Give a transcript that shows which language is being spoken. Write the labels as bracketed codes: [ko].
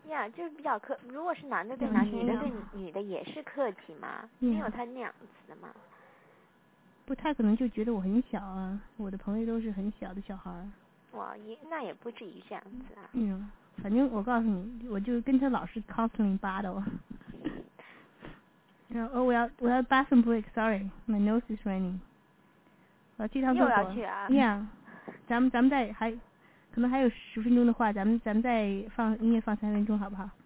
[zh] 呀、yeah, ，就是比较客。如果是男的对男的，女的对女的也是客气嘛， yeah. 没有他那样子的嘛。不太可能就觉得我很小啊，我的朋友都是很小的小孩。哇，那也不止一下子啊。嗯，反正我告诉你，我就跟他老是 [en] constantly battle。 [zh] 然后我要 [en] bathroom break， sorry， my nose is running。 [zh] 我要去趟厕所。又要去啊？Yeah， 咱们再还可能还有十分钟的话，咱们再放音乐放三分钟好不好？